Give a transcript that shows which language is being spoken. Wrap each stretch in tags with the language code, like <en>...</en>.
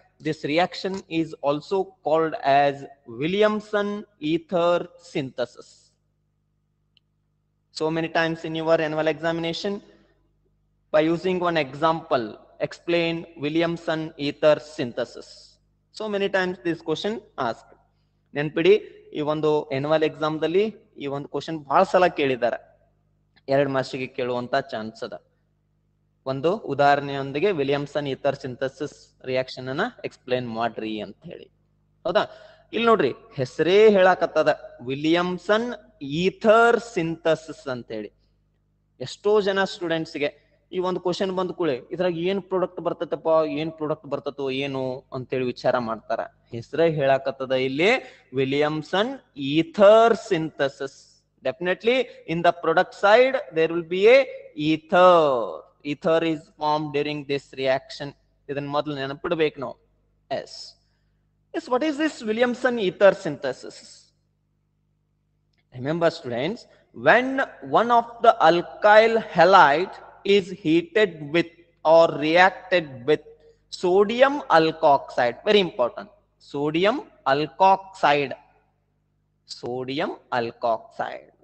<en>This reaction is also called as Williamson ether synthesis. So many times in your annual examination, by using one example, explain Williamson ether synthesis. So many times this question asked.</en> <kn>ನೆನ್ಪಿಡಿ, ಈ ಒಂದು annual exam ದಲ್ಲಿ ಈ ಒಂದು question ಬಹಳ ಸಲ ಕೇಳಿದ್ದಾರೆ. ಎರಡು ಮಾಸ್ಟರ್ಗೆ ಕೇಳುವಂತ chance ಅದ. ಒಂದು ಉದಾಹರಣೆಯೊಂದಿಗೆ ವಿಲಿಯಮ್ಸನ್ ಈಥರ್ ಸಿಂಥಸಿಸ್ ರಿಯಾಕ್ಷನ್ ಅನ್ನ ಎಕ್ಸ್ಪ್ಲೈನ್ ಮಾಡ್ರಿ ಅಂತ ಹೇಳಿ. ಹೌದಾ, ಇಲ್ಲಿ ನೋಡ್ರಿ, ಹೆಸರೇ ಹೇಳಕತ್ತದ, ವಿಲಿಯಮ್ಸನ್ ಈಥರ್ ಸಿಂಥಸಿಸ್ ಅಂತ ಹೇಳಿ. ಎಷ್ಟೋ ಜನ ಸ್ಟೂಡೆಂಟ್ಸ್ ಗೆ ಈ ಒಂದು ಕ್ವಶನ್ ಬಂದ ಕೂಡಲೇ ಇದ್ರಾಗ ಏನ್ ಪ್ರಾಡಕ್ಟ್ ಬರ್ತದಪ್ಪ, ಏನ್ ಪ್ರಾಡಕ್ಟ್ ಬರ್ತದೋ ಏನು ಅಂತೇಳಿ ವಿಚಾರ ಮಾಡ್ತಾರ. ಹೆಸರೇ ಹೇಳಕತ್ತದ, ಇಲ್ಲಿ Williamson ether synthesis.</kn> <en>Definitely in the product side there will be a ether. Ether is form during this reaction.</en> <kn>ಇದನ್ನ ಮೊದಲು ನೆನಪಿಡ್ಬೇಕು ನಾವು.</kn> <en>Yes yes, what is this Williamson ether synthesis? Remember students, when one of the alkyl halide is heated with or reacted with sodium alkoxide. Very important. Sodium alkoxide. Sodium alkoxide.</en>